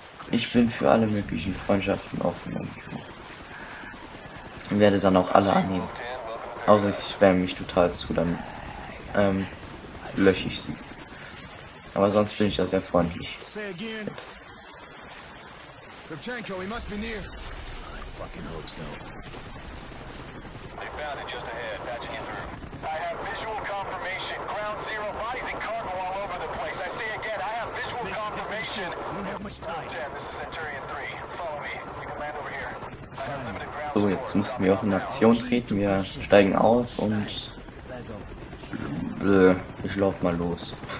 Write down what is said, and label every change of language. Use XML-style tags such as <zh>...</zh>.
<de>Ich bin für alle möglichen Freundschaften offen und werde dann auch alle annehmen. Außer ich spamme mich total zu, dann lösche ich sie. Aber sonst bin ich da sehr freundlich.</de> <en>Kravchenko, we must be near. I fucking hope so. They found it just ahead, patching it through. I have visual confirmation. Ground zero, bodies and cargo all over the place. I say again, I have visual confirmation. We don't have much time. Jet, this is Centurion 3. Follow me. We can land over here.</en> <de>So, jetzt müssen wir auch in Aktion treten. Wir steigen aus und ich lauf mal los.</de>